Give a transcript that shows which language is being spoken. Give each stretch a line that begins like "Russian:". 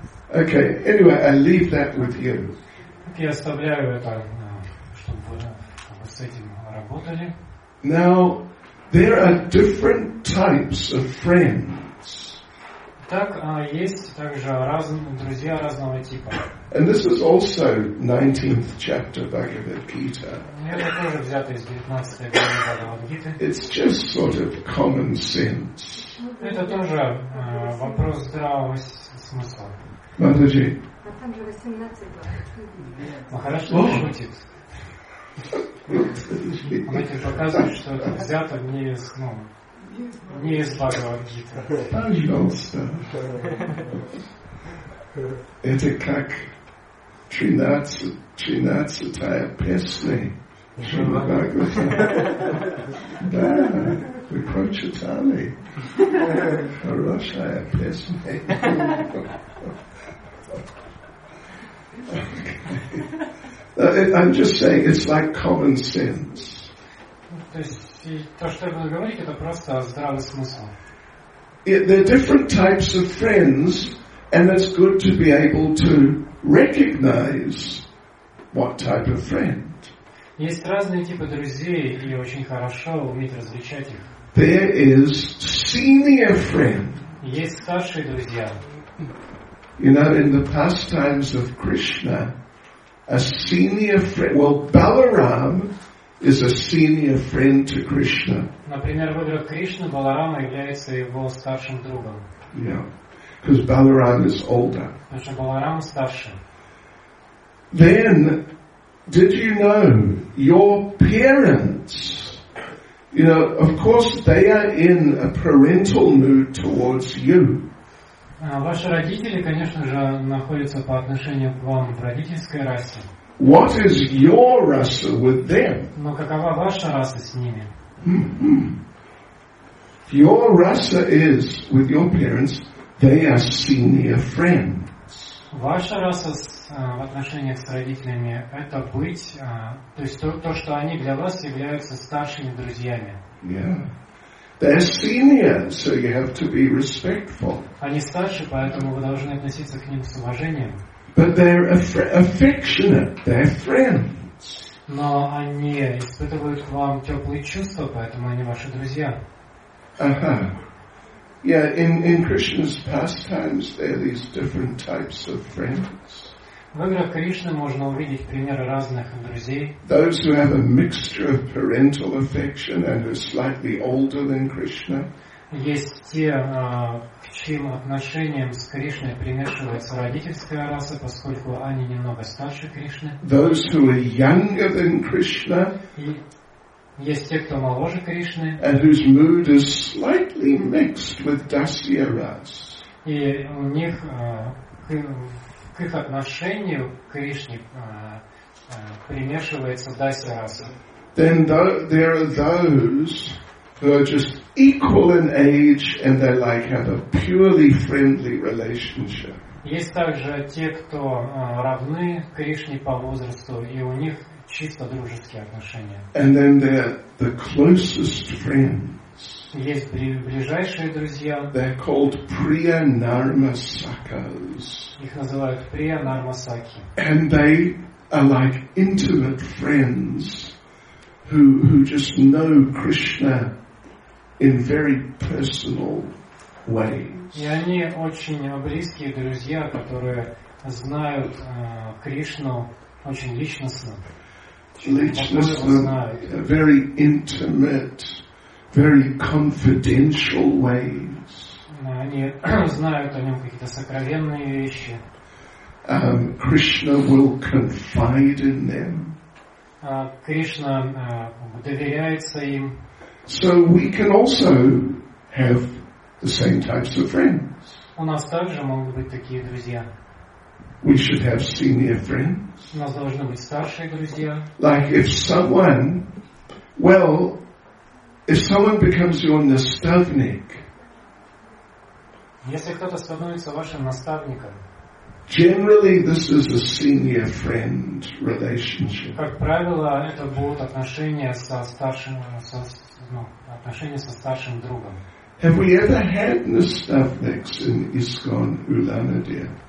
English: Okay. Anyway, I leave that with you.
Russian: Я оставляю это, чтобы вы с этим работали.
English: Now there are different types of friends.
Russian: Так, есть также друзья разного типа.
English: And this is also 19th chapter Bhagavad Gita.
Russian: Это тоже взято из 19 главы Бхагавад Гиты.
English: It's just sort of common sense.
Russian: Это тоже вопрос здравого смысла. Матаджи. Ну хорошо, он шутит. Он этим показывает, что это взято не из, ну, не из Бхагавад Гиты. Пожалуйста. Это как 13-я песня Шрима Бхагаватам. Да, вы прочитали. Хорошая песня.
English: Okay. I'm just saying, it's like common sense.
Russian: То есть, то, что я буду говорить, это просто здравый смысл.
English: There are different types of friends, and it's good to be able to recognize what type of friend.
Russian: Есть разные типы друзей, и очень хорошо уметь различать их.
English: There is senior friend.
Russian: Есть старшие друзья.
English: You know, in the pastimes of Krishna, a senior friend, well, Balaram is a senior friend to Krishna.
Russian: Например, в играх Кришны Баларама является его старшим другом.
English: Yeah, because Balaram is older.
Russian: Потому что Баларам старше.
English: Then, did you know your parents, you know, of course they are in a parental mood towards you.
Russian: Ваши родители, конечно же, находятся по отношению к вам в родительской расе.
English: What is your rasa with them?
Russian: Но какова ваша раса с ними?
English: Mm-hmm. Your rasa is with your parents. They are senior friends.
Russian: Ваша раса в отношениях с родителями – это быть, то есть то, что они для вас являются старшими друзьями.
English: Yeah. They're senior, so you have to be respectful.
Russian: Они старше, поэтому вы должны относиться к ним с уважением.
English: But they're affectionate. They're friends.
Russian: Но они испытывают к вам теплые чувства, поэтому они ваши друзья. Uh-huh.
English: Yeah, in Krishna's pastimes, there are these different types of friends.
Russian: В играх Кришны можно увидеть примеры разных друзей.
English: Those who have a mixture of parental affection and are slightly older than Krishna.
Russian: Есть те, к чьим отношениям с Кришной примешивается родительская раса, поскольку они немного старше Кришны.
English: Those who are younger than Krishna.
Russian: Есть те, кто моложе Кришны.
English: And whose mood is slightly mixed with Dasya ras.
Russian: И у них к их отношению к Кришне примешивается дасья-раса.
English: Then there are those who are just equal in age and they like have a purely friendly relationship.
Russian: Есть также те, кто равны Кришне по возрасту, и у них чисто дружеские отношения.
English: And then they're the closest friends. friends.
Russian: Есть ближайшие друзья.
English: They're called Priyanarmasakas.
Russian: Их называют Priyanarmasaki.
English: And they are like intimate friends who just know Krishna in very personal ways.
Russian: И они очень близкие друзья, которые знают Кришну очень личностно.
English: Very intimate, very confidential ways.
Russian: Они знают о нем какие-то сокровенные вещи.
English: Krishna will confide in them.
Russian: Кришна доверяется им.
English: So we can also have the same types of friends.
Russian: У нас также могут быть такие друзья.
English: We should have senior friends.
Russian: У нас должны быть старшие друзья.
English: Like if someone, well, if someone becomes your наставник,
Russian: если кто-то становится вашим наставником,
English: generally this is a senior friend relationship.
Russian: Как правило, это будут отношения со старшим, отношения со старшим другом.
English: Have we ever had наставниks in ISKCON Улан-Удэ?